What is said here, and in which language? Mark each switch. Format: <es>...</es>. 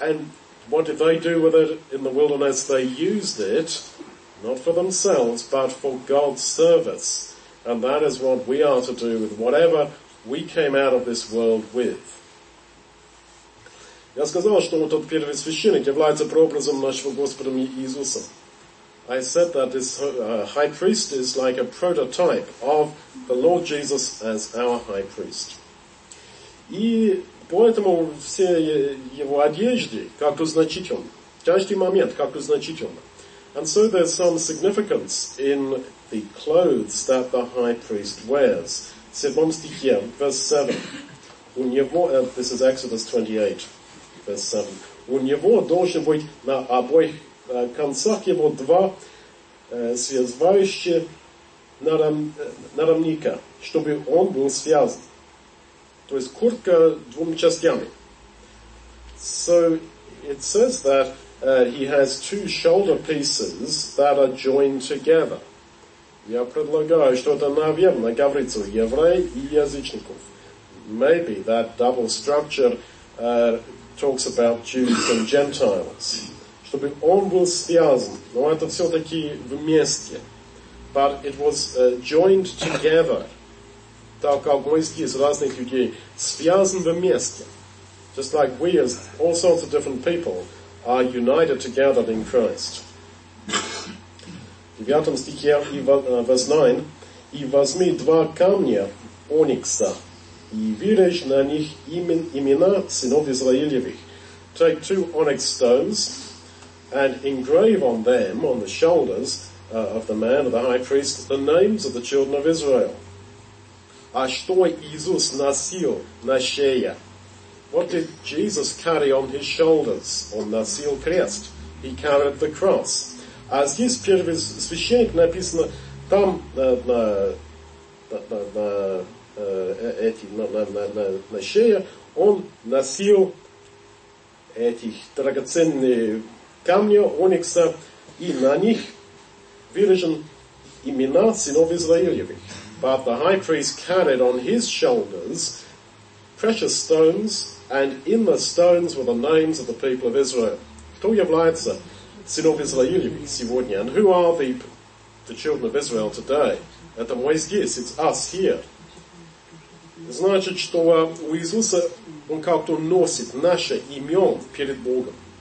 <en>And what did they do with it in the wilderness? They used it, not for themselves, but for God's service. And that is what we are to do with whatever we came out of this world with.</en> <ru>Я сказал, что вот этот первый священник является прообразом нашего Господа Иисуса.</ru> <en>I said that this high priest is like a prototype of the Lord Jesus as our high priest.</en> <ru>И поэтому все его одежды как-то значительны. Каждый момент как-то значительный.</ru> <en>And so there's some significance in the clothes that the high priest wears.</en> <ru>В 7 стихе,</ru> <en>verse 7.</en> <ru>У него,</ru> <en>this is Exodus 28. Verse 7.</en> <ru>У него должен быть на обоих концах его два связывающие наромника, чтобы он был связан. То есть куртка двум частями.</ru> <en>So it says that he has two shoulder pieces that are joined together.</en> <ru>Я предлагаю, что это, наверное, говорится у евреев и язычников.</ru> <en>Maybe that double structure talks about Jews and Gentiles.</en> <ru>Чтобы он был связан. Но это все-таки вместе.</ru> <en>But it was joined together.</en> <ru>Так как мы здесь разных людей. Связан вместе.</ru> <en>Just like we as all sorts of different people are united together in Christ.</en> <ru>В 9 стихе,</ru> <en>verse 9.</en> <ru>И возьми два камня оникса. И вырежь на них имена сынов Израилевых.</ru> <en>Take two onyx stones and engrave on them, on the shoulders of the man, of the high priest, the names of the children of Israel.</en> <ru>А что Иисус носил на шее?</ru> <en>What did Jesus carry on his shoulders?</en> <ru>Он носил крест.</ru> <en>He carried the cross.</en> <ru>А здесь первый священник написано там на шее он носил этих драгоценных камня оникса, и на них выражены имена сынов Израилевых.</ru> <en>But the high priest carried on his shoulders precious stones, and in the stones were the names of the people of Israel.</en> <ru>Кто является сынов Израилевых сегодня?</ru> <en>And who are the children of Israel today?</en> <ru>Это мы здесь,</ru> <en>it's us here.</en> <ru>Значит, что у Иисуса он как-то носит наше имя перед Богом.</ru>